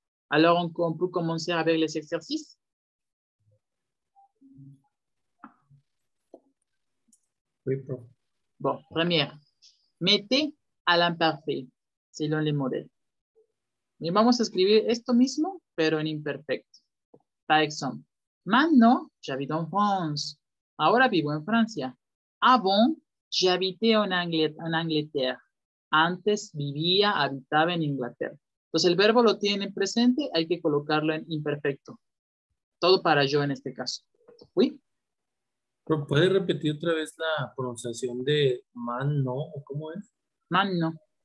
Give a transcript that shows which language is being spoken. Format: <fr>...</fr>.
<fr>Alors, on peut commencer avec les exercices. Oui, bro. Bon, première. Mettez à l'imparfait, selon les modèles.</fr> <es>Y vamos a escribir esto mismo, pero en imperfecto.</es> <fr>Par exemple. Maintenant, j'habite en France.</fr> <es>Ahora vivo en Francia.</es> <fr>Avant, j'habitais en Angleterre.</fr> <es>Antes vivía, habitaba en Inglaterra. Entonces, el verbo lo tienen en presente, hay que colocarlo en imperfecto. Todo para yo en este caso. ¿Oui? ¿Puedes repetir otra vez la pronunciación de maintenant? ¿Cómo es?</es> <fr>Maintenant.</fr>